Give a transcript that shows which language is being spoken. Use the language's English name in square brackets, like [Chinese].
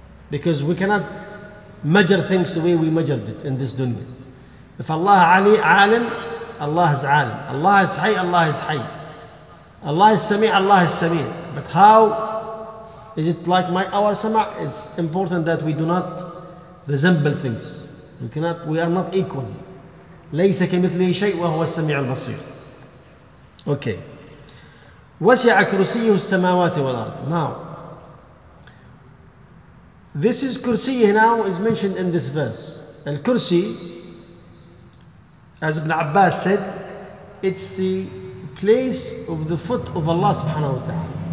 [English] Because we cannot measure things the way we measured it in this dunya. If Allah Ali Alim, Allah is Alim. Allah is Hay, Allah is Hay. Allah is Sami, Allah is Sami. But how is it like my our Sama'? It's important that we do not resemble things. We are not equal. [Arabic] ليس كمثله شيء وهو السميع البصير. [English] Okay. [Arabic] وسع كرسيه السماوات والأرض. [English] Now, this is كرسي. Now is mentioned in this verse. الكرسي, as Ibn Abbas said, it's the place of the foot of Allah [Arabic] سبحانه وتعالى.